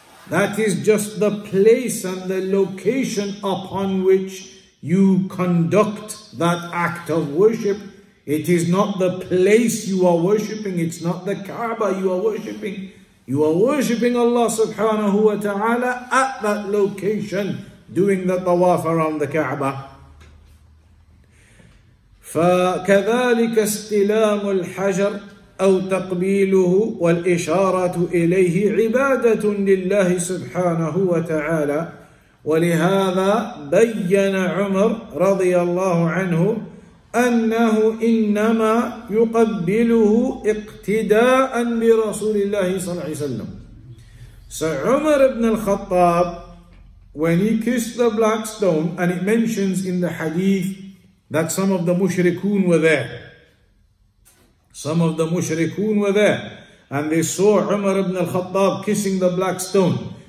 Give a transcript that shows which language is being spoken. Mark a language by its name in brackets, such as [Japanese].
[English] That is just the place and the location upon which you conduct that act of worship. It is not the place you are worshipping, it's not the Kaaba you are worshipping. You are worshipping Allah subhanahu wa ta'ala at that location, doing the tawaf around the Kaaba. [Arabic] فكذلك استلام الحجر أو تقبيله والإشارة إليه عبادة لله سبحانه وتعالى. ولهذا بين عمر رضي الله عنه أنه إنما يقبله اقتداء برسول الله صلى الله عليه وسلم. [English] So عمر بن الخطاب, when he kissed the black stone, and it mentions in the hadith that some of the mushrikun were there. Some of the mushrikun were there. And they saw Umar ibn al-Khattab kissing the black stone.